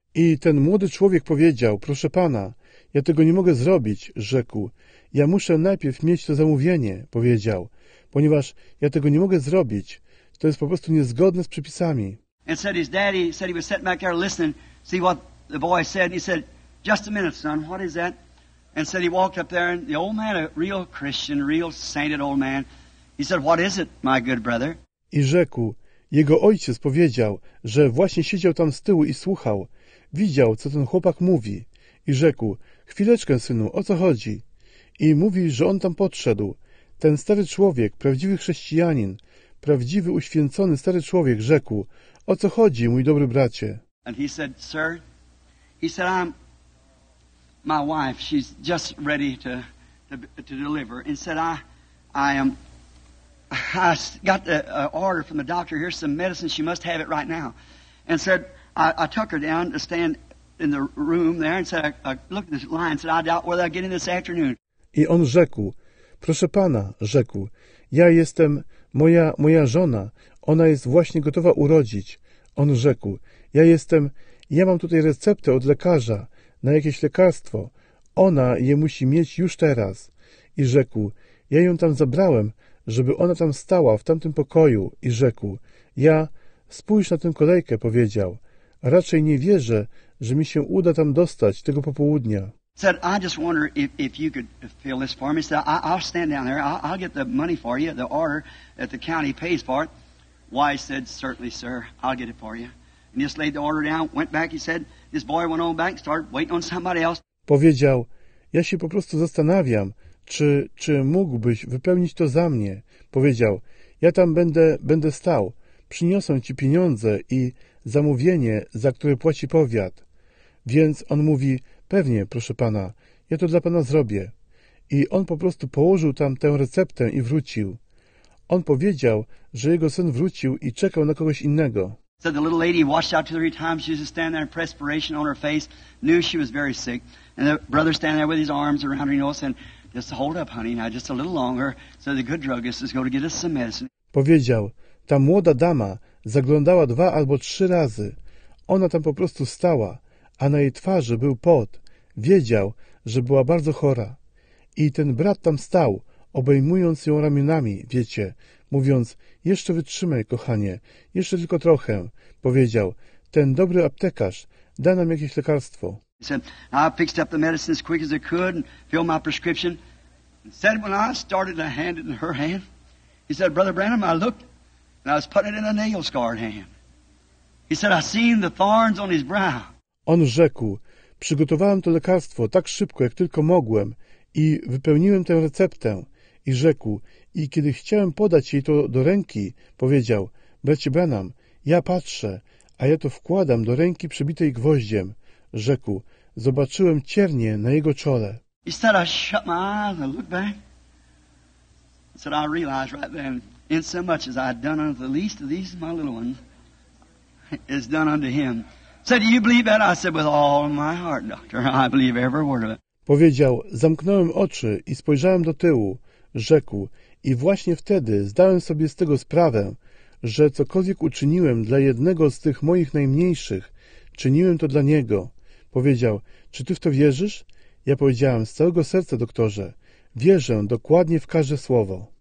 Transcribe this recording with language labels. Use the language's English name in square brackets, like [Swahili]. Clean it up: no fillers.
[Polish] I ten młody człowiek powiedział: "Proszę pana, ja tego nie mogę zrobić," rzekł. "Ja muszę najpierw mieć to zamówienie," powiedział, "ponieważ ja tego nie mogę zrobić. To jest po prostu niezgodne z przepisami." [English] And said his daddy said he was sitting back there listening, see what the boy said. He said, "Just a minute, son, what is that?" And said he walked up there, and the old man, a real Christian, real sainted old man, he said, "What is it, my good brother?" [Polish] I rzekł: "Jego ojciec powiedział, że właśnie siedział tam z tyłu i słuchał. Widział, co ten chłopak mówi. I rzekł: chwileczkę, synu, o co chodzi?" I mówi, że on tam podszedł. Ten stary człowiek, prawdziwy chrześcijanin, prawdziwy uświęcony stary człowiek rzekł: o co chodzi, mój dobry bracie? [English] And he said, sir, he said, I'm my wife, she's just ready to deliver. And said, I got the order from the doctor, here's some medicine, she must have it right now. And said, I took her down to stand in the room there and said, I looked at the line and said, I doubt whether I get in this afternoon. [Polish] I on rzekł, proszę pana, rzekł, ja jestem, moja żona, ona jest właśnie gotowa urodzić. On rzekł, ja mam tutaj receptę od lekarza na jakieś lekarstwo, ona je musi mieć już teraz. I rzekł, ja ją tam zabrałem, żeby ona tam stała w tamtym pokoju. I rzekł, ja, spójrz na tę kolejkę, powiedział, raczej nie wierzę, że mi się uda tam dostać tego popołudnia. [English] Said, I just wonder if you could fill this for me. Said, I'll stand down there. I'll get the money for you, the order that the county pays for it. Wise said, certainly, sir, I'll get it for you. And he just laid the order down, went back, he said, this boy went on back, started waiting on somebody else. [Polish] Powiedział, ja się po prostu zastanawiam, czy mógłbyś wypełnić to za mnie. Powiedział, ja tam będę stał, przyniosę ci pieniądze i zamówienie, za które płaci powiat. Więc on mówi, pewnie, proszę pana, ja to dla pana zrobię. I on po prostu położył tam tę receptę i wrócił. On powiedział, że jego syn wrócił i czekał na kogoś innego. [English] So the little lady washed out 2-3 times. She was just standing there in perspiration on her face. Knew she was very sick. And the brother standing there with his arms around her, you know, saying, just hold up, honey, now just a little longer. So the good druggist is going to get us some medicine. [Polish] Powiedział, ta młoda dama zaglądała 2 albo 3 razy. Ona tam po prostu stała, a na jej twarzy był pot. Wiedział, że była bardzo chora. I ten brat tam stał, obejmując ją ramionami, wiecie, mówiąc, jeszcze wytrzymaj, kochanie, jeszcze tylko trochę. Powiedział, ten dobry aptekarz da nam jakieś lekarstwo. [English] Said, I picked up the medicine as quick as I could and filled my prescription. Said, when I started to hand it in her hand, he said, Brother Branham, I looked and I was putting it in a nail-scarred hand. He said, I seen the thorns on his brow. [Polish] On rzekł, przygotowałem to lekarstwo tak szybko, jak tylko mogłem i wypełniłem tę receptę. I rzekł, i kiedy chciałem podać jej to do ręki, powiedział, bracie Branham, ja patrzę, a ja to wkładam do ręki przebitej gwoździem. Rzekł, zobaczyłem ciernie na jego czole. [English] He said, I shut my eyes and looked back. He said, I realized right then, in so much as I had done unto the least of these, my little ones, is done unto him. He said, do you believe that? I said, with all my heart, doctor, I believe every word of it. [Polish] Powiedział, zamknąłem oczy i spojrzałem do tyłu. Rzekł, i właśnie wtedy zdałem sobie z tego sprawę, że cokolwiek uczyniłem dla jednego z tych moich najmniejszych, czyniłem to dla niego. Powiedział, czy ty w to wierzysz? Ja powiedziałem, z całego serca, doktorze, wierzę dokładnie w każde słowo.